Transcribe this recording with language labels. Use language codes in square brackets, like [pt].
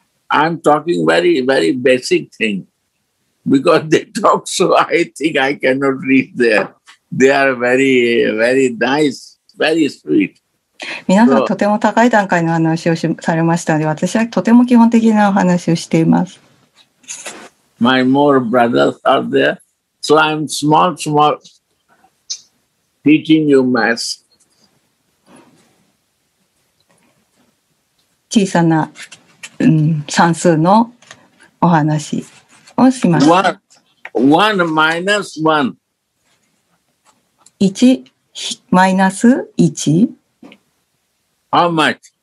[en] I'm talking very, very basic thing because they talk so I think I cannot reach there. They are very, very nice, very sweet. [ja] 皆さん、とても高い段階の話をされましたので、私はとても基本的なお話をしています。 [en] My more brothers are there, so I'm small, small teaching you math. [ja] 小さな、算数のお話をします。 [en] One minus one. 1 minus 1? How much?